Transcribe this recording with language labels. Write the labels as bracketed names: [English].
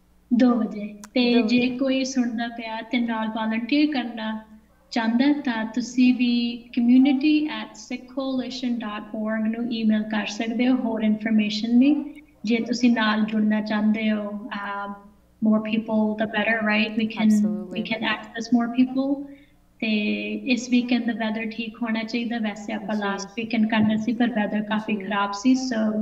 [Punjabi] 2 ਵਜੇ। ਤੇ ਜੇ ਕੋਈ ਸੁਣਦਾ ਪਿਆ ਤੇ ਨਾਲ ਵਾਲੰਟੀਅਰ ਕਰਨਾ ਚਾਹੁੰਦਾ ਤਾਂ ਤੁਸੀਂ ਵੀ community@sikhcoalition.org ਨੂੰ ਈਮੇਲ ਕਰ ਸਕਦੇ ਹੋ ਹੋਰ ਇਨਫੋਰਮੇਸ਼ਨ ਲਈ, ਜੇ ਤੁਸੀਂ ਨਾਲ ਜੁੜਨਾ ਚਾਹੁੰਦੇ ਹੋ। [English] more people the better, right? We can access more people. [Punjabi] ਤੇ ਇਸ ਵੀਕਐਂਡ ਦਾ ਵੈਦਰ ਠੀਕ ਹੋਣਾ ਚਾਹੀਦਾ, ਵੈਸੇ ਆਪਾਂ ਲਾਸਟ ਵੀਕਐਂਡ ਕਰਨਾ ਸੀ ਪਰ ਵੈਦਰ ਕਾਫੀ ਖਰਾਬ ਸੀ, ਸੋ